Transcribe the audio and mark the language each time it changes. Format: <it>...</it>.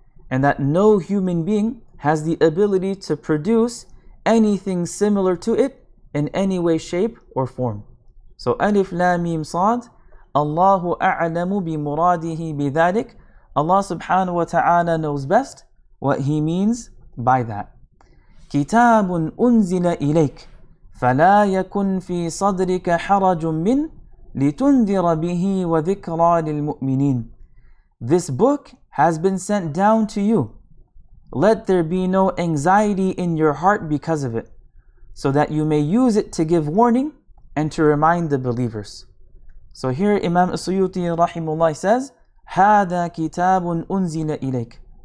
<en>And that no human being has the ability to produce anything similar to it in any way, shape, or form. So,</en> <ar>Alif Lam Mim Sad, Allahu A'lamu bi muradihi bi dhalik.</ar> <en>Allah subhanahu wa ta'ala knows best what He means by that.</en> <ar>كتاب أنزل إليك فلا يكن في صدرك حرج من لتنذر به وذكرى للمؤمنين.</ar> <en>This book has been sent down to you. Let there be no anxiety in your heart because of it, so that you may use it to give warning and to remind the believers. So here Imam As-Suyuti rahimullah says,</en> <ar>هذا كتاب أنزل إليك.</ar>